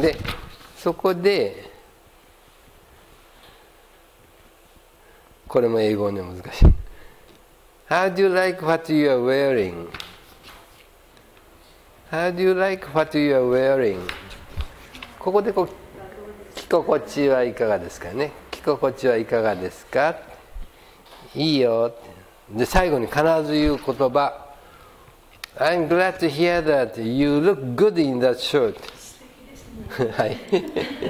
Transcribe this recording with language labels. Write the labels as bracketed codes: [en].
[ja] でそこで、これも英語ね、難しい。 [en] How do you like what you are wearing? How do you like what you are wearing? [ja] ここでこう、着心地はいかがですかね、着心地はいかがですか、いいよ。で最後に必ず言う言葉、 [en] I'm glad to hear that you look good in that shirt. [ja] 素敵ですね。